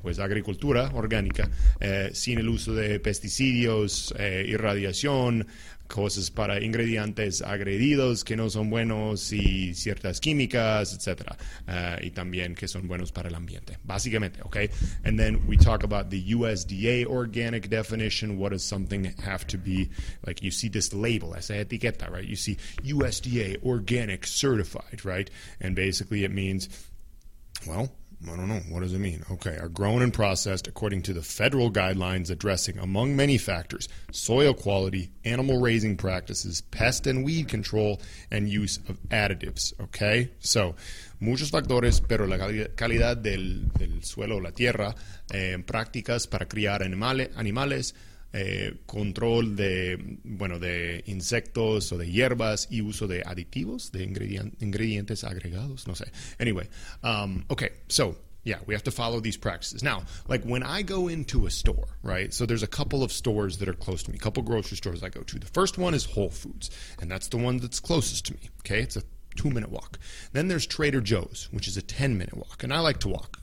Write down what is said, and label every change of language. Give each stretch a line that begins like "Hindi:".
Spanish: Pues agricultura orgánica, sin el uso de pesticidios, irradiación, cosas para ingredientes agredidos que no son buenos y ciertas químicas, etc. Y también que son buenos para el ambiente. Básicamente, okay?
English: And then we talk about the USDA organic definition. What does something have to be? Like, you see this label,
Spanish: esa etiqueta,
English: right? You see USDA organic certified, right? And basically it means, well, I don't know. What does it mean? Okay, are grown and processed according to the federal guidelines addressing, among many factors, soil quality, animal raising practices, pest and weed control, and use of additives.
Spanish: Okay, so muchos factores, pero la calidad del suelo, la tierra, prácticas para criar animales, control de, bueno, de insectos o de hierbas y uso de aditivos, de ingredientes agregados, no sé.
English: Anyway, okay, so, yeah, we have to follow these practices. Now, like, when I go into a store, right, so there's a couple of stores that are close to me, a couple grocery stores I go to. The first one is Whole Foods, and that's the one that's closest to me, okay? It's a 2-minute walk. Then there's Trader Joe's, which is a 10-minute walk. And I like to walk.